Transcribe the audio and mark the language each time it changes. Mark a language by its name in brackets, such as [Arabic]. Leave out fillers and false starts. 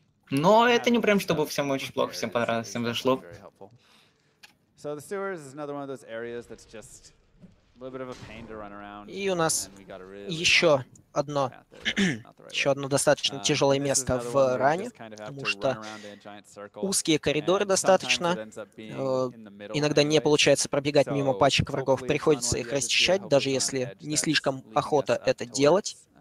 [Russian] Но это не прям чтобы всем очень плохо, всем понравилось, всем зашло. [English] So the sewers is another one of those areas that's just a little bit of a pain to run around. [Russian] И у нас really еще одно, еще одно достаточно тяжелое место в ране, потому что узкие коридоры достаточно, иногда не получается пробегать мимо пачек врагов, приходится их расчищать, даже если не слишком охота это делать.